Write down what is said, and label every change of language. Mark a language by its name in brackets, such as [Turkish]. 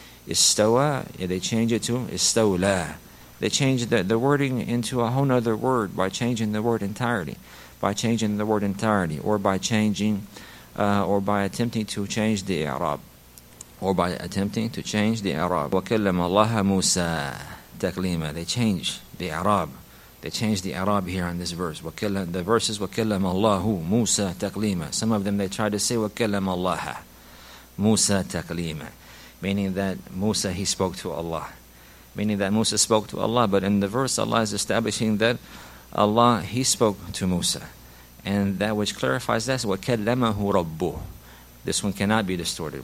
[English] Istawa, they change it to istawla. They change the wording into a whole other word by changing the word entirely, or by changing, or by attempting to change the i'rab, [Arabic] وَكَلَّمَ اللَّهَ مُوسَى تَكْلِيمًا. [English] They change the i'rab here on this verse. The verse is [Arabic] وَكَلَّمَ اللَّهُ مُوسَى تَكْلِيمًا. [English] Some of them, they try to say [Arabic] وَكَلَّمَ اللَّهَ مُوسَى تَكْلِيمًا, [English] meaning that Musa, he spoke to Allah. But in the verse, Allah is establishing that Allah, he spoke to Musa. And that which clarifies that is [Arabic] وَكَلَّمَهُ رَبُّهُ. [English] This one cannot be distorted.